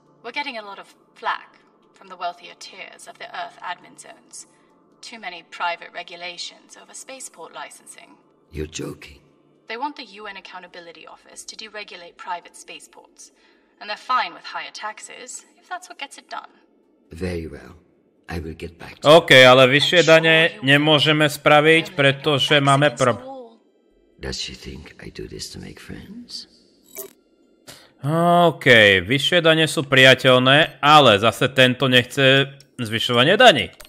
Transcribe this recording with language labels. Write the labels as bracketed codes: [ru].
[en] We're getting a lot of flack from the wealthier tiers of the Earth admin zones. Too many private regulations over spaceport licensing. You're joking. They want the UN Accountability Office to deregulate private spaceports. And they're fine with higher taxes, if that's what gets it done. Very well. I will get back to you. [sk] OK, ale vyššie dane nemôžeme spraviť, pretože máme [en] Does she think I do this to make friends? [sk] OK, vyššie dane sú priateľné, ale zase tento nechce zvyšovanie daní.